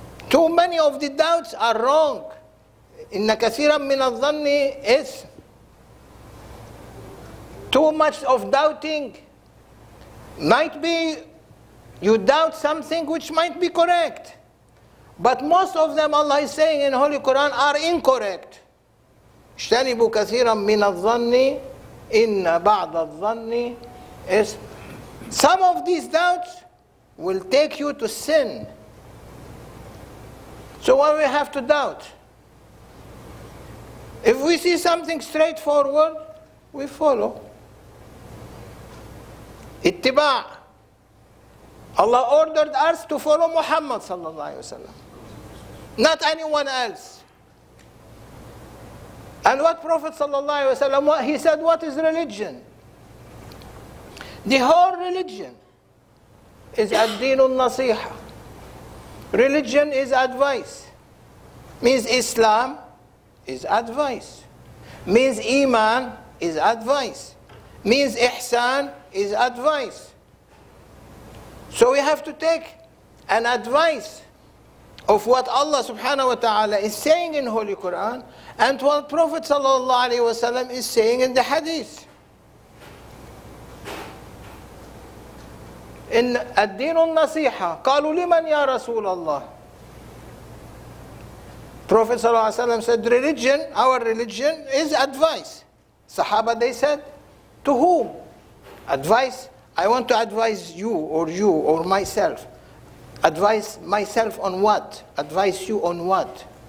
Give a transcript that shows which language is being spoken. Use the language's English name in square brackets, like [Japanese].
[English] Too many of the doubts are wrong. [Arabic] إن كثيرا من الظن [English] is too much of doubting. Might be you doubt something which might be correct, but most of them Allah is saying in Holy Quran are incorrect. [Arabic] اجتنبوا كثيرا من الظن إن بعض الظن [English] is. Some of these doubts will take you to sin. So why we have to doubt? If we see something straightforward, we follow. [Arabic] اتباع. [English] Allah ordered us to follow Muhammad صلى الله عليه وسلم, not anyone else. And what Prophet صلى الله عليه وسلم, he said, what is religion? The whole religion is [Arabic] الدين النصيحة. [English] Religion is advice. Means Islam is advice. Means Iman is advice. Means Ihsan is advice. So we have to take an advice of what Allah subhanahu wa ta'ala is saying in Holy Quran and what Prophet sallallahu alayhi wa sallam is saying in the hadith. In [Arabic] الدين النصيحة, قالوا لمن يا رسول الله. [English] Prophet sallallahu alayhi wa sallam said, religion, our religion is advice. Sahaba, they said, to whom? Advice, I want to advise you or myself. Advise myself on what? Advise you on what?